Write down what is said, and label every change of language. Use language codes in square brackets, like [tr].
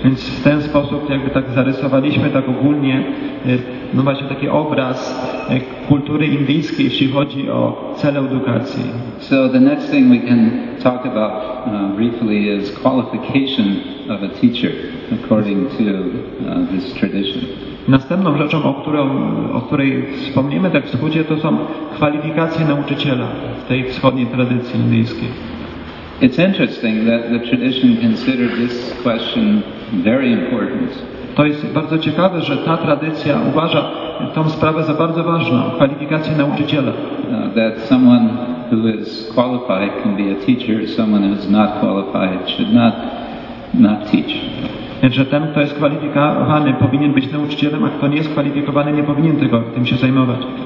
[pl] Więc w ten sposób jakby tak zarysowaliśmy tak ogólnie, no właśnie taki obraz kultury indyjskiej, jeśli chodzi o cele edukacji. [en] So the next thing we can talk about briefly is qualification of a teacher according to this tradition. [pl] Następną rzeczą, o której wspomnimy tak w skrócie, to są kwalifikacje nauczyciela w tej wschodniej tradycji indyjskiej. [en] It's interesting that the tradition considered this question very important. [pl] To jest bardzo ciekawe, że ta tradycja uważa tą sprawę za bardzo ważną, kwalifikacje nauczyciela. [en] That someone who is qualified can be a teacher, someone who is not qualified should not teach. [pl] że ten, kto jest kwalifikowany, powinien być nauczycielem, a kto nie jest kwalifikowany, nie powinien tego, tym się zajmować.